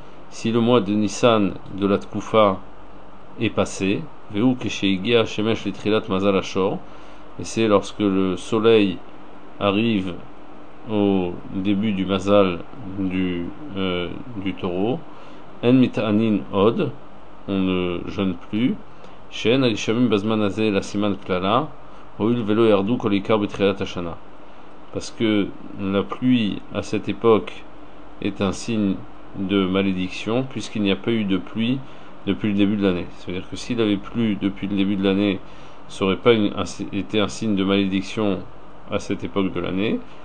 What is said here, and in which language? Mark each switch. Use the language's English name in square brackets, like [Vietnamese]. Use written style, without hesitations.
[French] Si le mois de Nissan de la Tkufa est passé, [Hebrew] Veu Kesheigia Shemesh Litrilat Mazal Ashor. [French] Et c'est lorsque le soleil arrive au début du Mazal du taureau. [Hebrew] En Mit Anin Od. [French] On ne jeûne plus. [Hebrew] שאין הגשמים בזמן הזה אלא סימן קללה, הואיל ולא ירדו כל עיקר בתחילת השנה. [French] Parce que la pluie à cette époque est un signe de malédiction, puisqu'il n'y a pas eu de pluie depuis le début de l'année. C'est-à-dire que s'il avait plu depuis le début de l'année, ça n'aurait pas été un signe de malédiction à cette époque de l'année.